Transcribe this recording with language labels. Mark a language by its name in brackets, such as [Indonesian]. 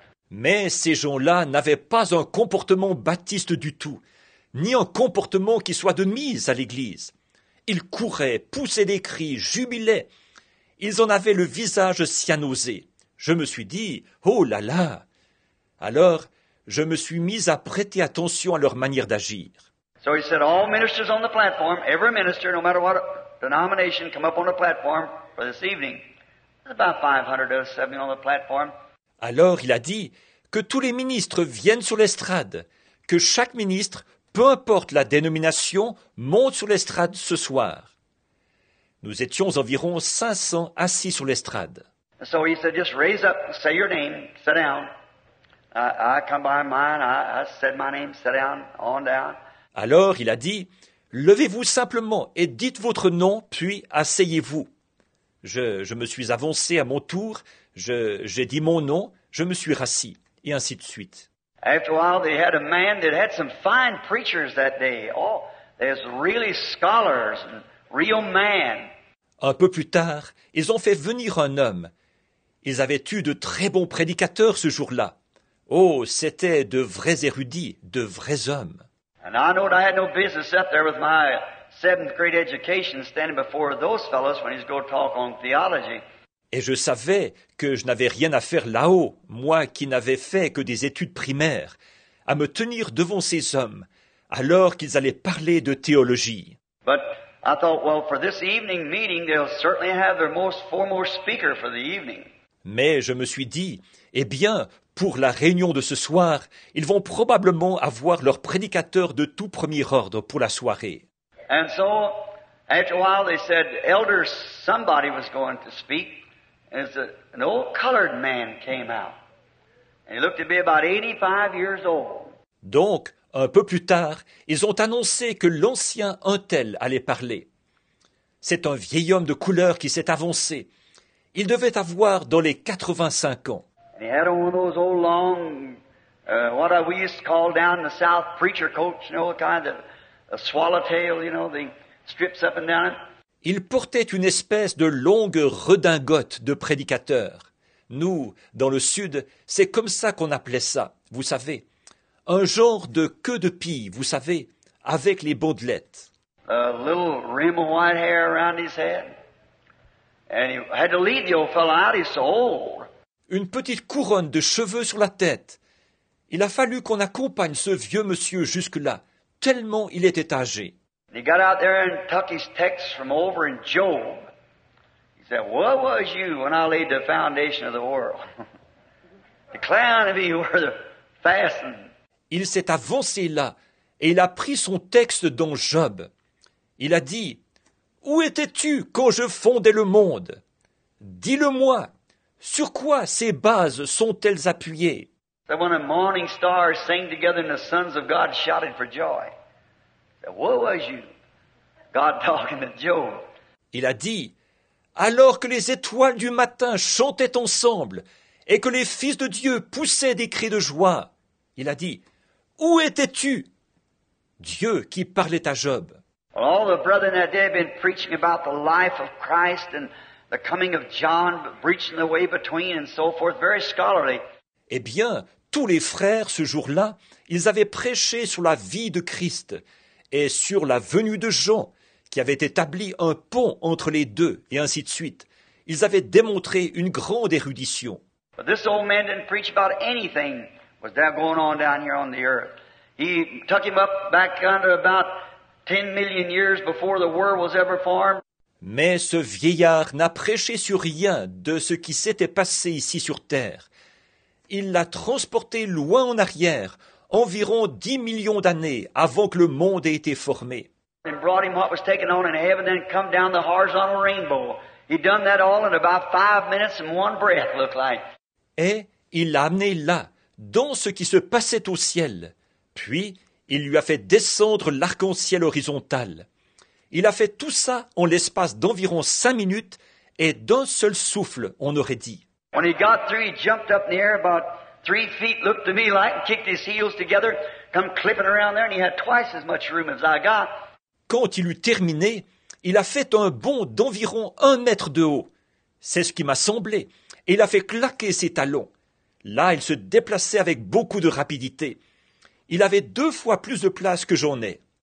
[French] Mais ces gens-là n'avaient pas un comportement baptiste du tout, ni un comportement qui soit de mise à l'église. Ils couraient, poussaient des cris, jubilaient. Ils en avaient le visage cyanosé. Je me suis dit, oh là là! Alors, je me suis mis à prêter attention à leur manière d'agir. [English] So he said, all ministers on the platform, every minister, no matter what denomination, come up on the platform for this evening. There's about 500 of us sitting on the platform. [French] Alors il a dit que tous les ministres viennent sur l'estrade, que chaque ministre, peu importe la dénomination, monte sur l'estrade ce soir. Nous étions environ 500 assis sur l'estrade. [English] So he said, just raise up, say your name, sit down. I come by mine, I said my name, sit down, on down. [French] Alors il a dit, levez-vous simplement et dites votre nom, puis asseyez-vous. Je me suis avancé à mon tour. J'ai dit mon nom, je me suis rassis, et ainsi de suite. [English] After a while, they had a man that had some fine preachers that day. Oh, there's really scholars, real man. [French] Un peu plus tard, ils ont fait venir un homme. Ils avaient eu de très bons prédicateurs ce jour-là. Oh, c'était de vrais érudits, de vrais hommes. [English] And I know I had no business up there with my seventh grade education standing before those fellows when he's going to talk on theology. [French] Et je savais que je n'avais rien à faire là-haut, moi qui n'avais fait que des études primaires, à me tenir devant ces hommes, alors qu'ils allaient parler de théologie. [English] But I thought, well, for this evening meeting, they'll certainly have their most foremost speaker for the evening. [French] Mais je me suis dit, eh bien, pour la réunion de ce soir, ils vont probablement avoir leur prédicateur de tout premier ordre pour la soirée. [English] And so, after a while, they said, Elder, somebody was going to speak. As an old colored man came out, and he looked to be about 85 years old. [French] Donc, un peu plus tard, ils ont annoncé que l'ancien un tel allait parler. C'est un vieil homme de couleur qui s'est avancé. Il devait avoir dans les 85 ans. [English] And he had one of those old long, what we used to call down in the South, preacher coats, you know, kind of a swallowtail, you know, the strips up and down it. [French] Il portait une espèce de longue redingote de prédicateur. Nous, dans le Sud, c'est comme ça qu'on appelait ça, vous savez. Un genre de queue de pie, vous savez, avec les bandelettes. [English] A little rim of white hair around his head. And he had to lead the old fellow out, he's so old. [French] Une petite couronne de cheveux sur la tête. Il a fallu qu'on accompagne ce vieux monsieur jusque-là, tellement il était âgé. [English] He got out there and tucked his text from over in Job. He said, what was you when I laid the foundation of the world? Declare unto me where the fastened. [French] Il s'est avancé là et il a pris son texte dans Job. Il a dit, où étais-tu quand je fondais le monde? Dis-le-moi, sur quoi ces bases sont-elles appuyées? [English] That when the morning stars sang together and the sons of God shouted for joy. That woe was you. God talking to Job. [French] Il a dit, alors que les étoiles du matin chantaient ensemble et que les fils de Dieu poussaient des cris de joie, il a dit, où étais-tu? Dieu qui parlait à Job. [English] Well, all the brethren that day have been preaching about the life of Christ and the coming of John, breaching the way between and so forth, very scholarly. [French] Eh bien, tous les frères, ce jour-là, ils avaient prêché sur la vie de Christ et sur la venue de Jean, qui avait établi un pont entre les deux, et ainsi de suite. Ils avaient démontré une grande érudition. [English] But this old man didn't preach about anything was going on down here on the earth. He took him up back under about 10 million years before the world was ever formed. [French] Mais ce vieillard n'a prêché sur rien de ce qui s'était passé ici sur terre. Il l'a transporté loin en arrière, environ 10 millions d'années avant que le monde ait été formé. [English] And brought him what was taken on in heaven and come down the horizontal rainbow. He'd done that all in about 5 minutes and one breath, looked like. [French] Et il l'a amené là, dans ce qui se passait au ciel. Puis, il lui a fait descendre l'arc-en-ciel horizontal. Il a fait tout ça en l'espace d'environ 5 minutes et d'un seul souffle, on aurait dit. [English] When he got through, he jumped up in the air about 3 feet, looked to me like, and kicked his heels together, come clipping around there, and he had twice as much room as I got. [French] Quand il eut terminé, il a fait un bond d'environ 1 mètre de haut. C'est ce qui m'a semblé. Et il a fait claquer ses talons. Là, il se déplaçait avec beaucoup de rapidité. Il avait 2 fois plus de place que j'en ai.